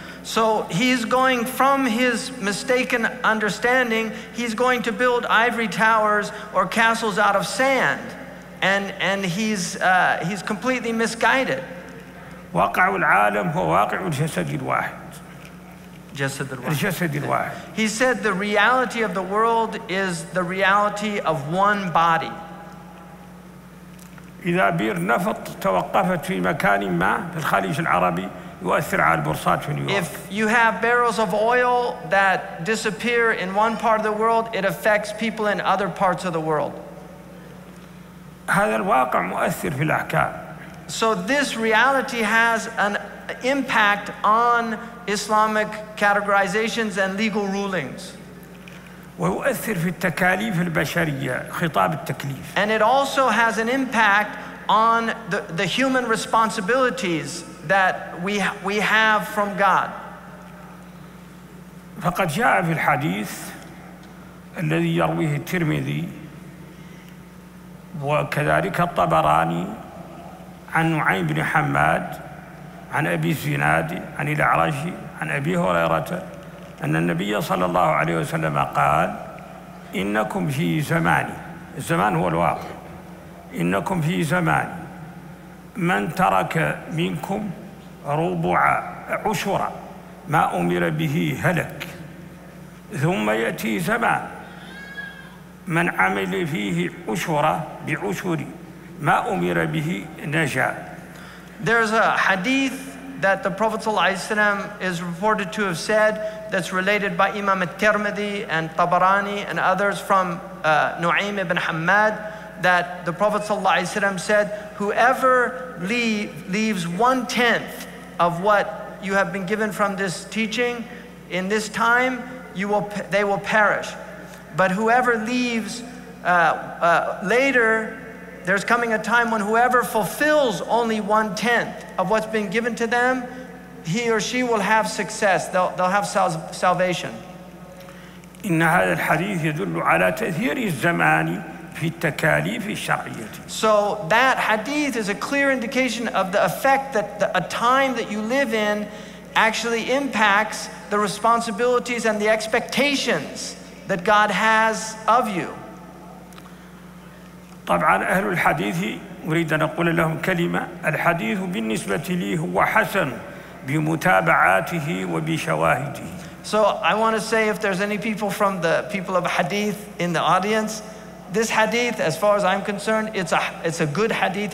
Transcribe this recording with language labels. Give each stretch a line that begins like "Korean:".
English: So he's going from his mistaken understanding, he's going to build ivory towers or castles out of sand, and he's completely misguided.
Arabic: واقع العالم هو واقع الجسد الواحد.
English: He said the reality of the world is the reality of one body.
Arabic: إذا بير نفط توقفت في مكان ما في الخليج العربي يؤثر على البورصات في نيويورك.
English: If you have barrels of oil that disappear in one part of the world, it affects people in other parts of the world.
Arabic: هذا الواقع مؤثر في الأحكام.
English: So this reality has an impact on Islamic categorizations and legal rulings.
Arabic: ويؤثر في التكاليف البشرية خطاب التكليف.
English: And it also has an impact on the human responsibilities that we have from God.
Arabic: فقد جاء في الحديث الذي يرويه الترمذي وكذلك الطبراني عن نعيم بن حماد عن أبي الزناد عن الأعرج عن أبي هريرة أن النبي صلى الله عليه وسلم قال إنكم في زماني. الزمان هو الواقع. إنكم في زماني من ترك منكم ربع عشرة ما أمر به هلك، ثم يأتي زمان من عمل فيه عشرة بعشر ما أمر به نجا.
English: There's a hadith that the Prophet ﷺ is reported to have said that's related by Imam al-Tirmidhi and Tabarani and others from Nu'aym ibn Hammad, that the Prophet ﷺ said, whoever leaves one-tenth of what you have been given from this teaching in this time, they will perish. But whoever leaves later, there's coming a time when whoever fulfills only one-tenth of what's been given to them, he or she will have success. They'll have salvation.
Arabic: إن هذا الحديث يدل على تأثير الزمان في التكاليف الشرعية.
English: So that hadith is a clear indication of the effect that a time that you live in actually impacts the responsibilities and the expectations that God has of you.
Arabic: طبعا أهل الحديث أريد أن أقول لهم كلمة. الحديث بالنسبة لي هو حسن بمتابعاته وبشواهده.
English: So I want to say, if there's any people from the people of hadith in the audience, this hadith, as far as I'm concerned, it's a good hadith.